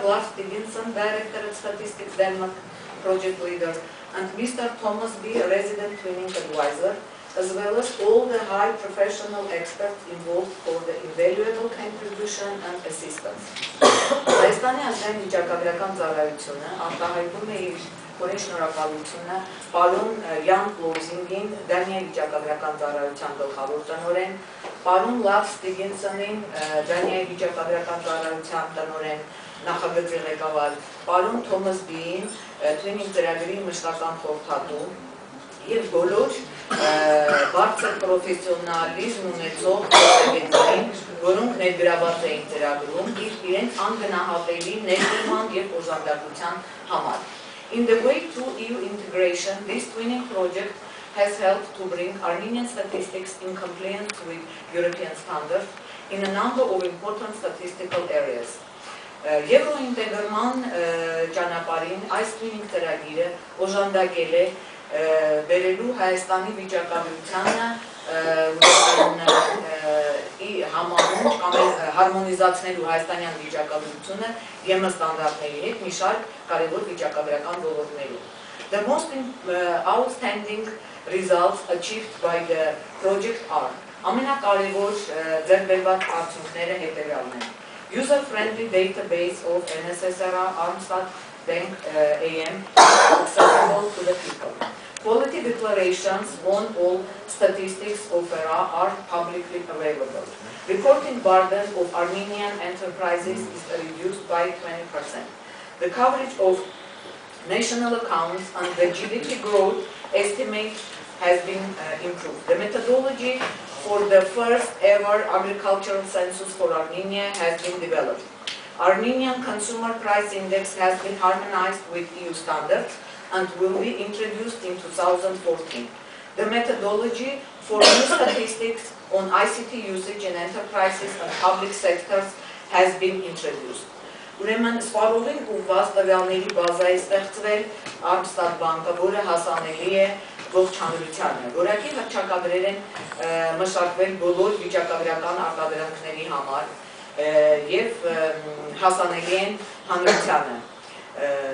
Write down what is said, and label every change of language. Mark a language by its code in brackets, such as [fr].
[en] Lars Stevenson, Director of Statistics Denmark, Project Leader, and Mr. Thomas B., Resident Twinning Advisor, as well as all the high professional experts involved for the invaluable contribution and assistance. [hy] Հայաստանի ազգային վիճակագրական ծառայությունը արտահայտում է իր ողջ շնորհակալությունը պարոն Ջան Պլոզինգին, Դանիայի վիճակագրական ծառայության գլխավոր տնօրեն, պարոն Լավս Տիգինսոնին, Դանիայի վիճակագրական ծառայության տնօրեն, նախագծի ղեկավար, պարոն Թոմաս Բին, Թվինինգ ծրագրի մշտական խորհրդատու, և բոլոր բարձր պրոֆեսիոնալիզմ ունեցող կոլեգաներին, որոնք ներգրավված էին ծրագրում իր իրենց անգնահատելի ներդրման և օժանդակության համար. [en] In the way to EU integration, this twinning project has helped to bring Armenian statistics in compliance with European standards in a number of important statistical areas. [hy] Եվրոինտեգրման ճանապարհին այս twinning ծրագիրը օժանդակել է բերելու Հայաստանի վիճակագրությանը ի համանուն կամ հարմոնիզացնելու հայաստանյան վիճակագրությունը ԵՄ ստանդարտների հետ մի շարք կարևոր վիճակագրական ոլորտներում։ [en] The most outstanding results achieved by the project are [hy] ամենակարևոր ձեռքբերված արդյունքները հետևյալն են. [en] User-friendly database of NSSRA, Armstat, Bank, AM, accessible to the people. Quality declarations on all statistics of ERA are publicly available. Reporting burden of Armenian enterprises is reduced by 20%. The coverage of national accounts and the GDP growth estimate has been improved. The methodology for the first ever agricultural census for Armenia has been developed. Armenian consumer price index has been harmonized with EU standards and will be introduced in 2014. The methodology for new statistics on ICT usage in enterprises and public sectors has been introduced. [hy] Ուրեմն սպառողին ուված տվյալների բազա է ստեղծվել Armstat Bank-ը, որը հասանելի է ողջ հանրությանը, որակի հրճակագրեր են մշակվել բոլոր վիճակագրական արտադրանքների համար և հասանելի են հանրությանը։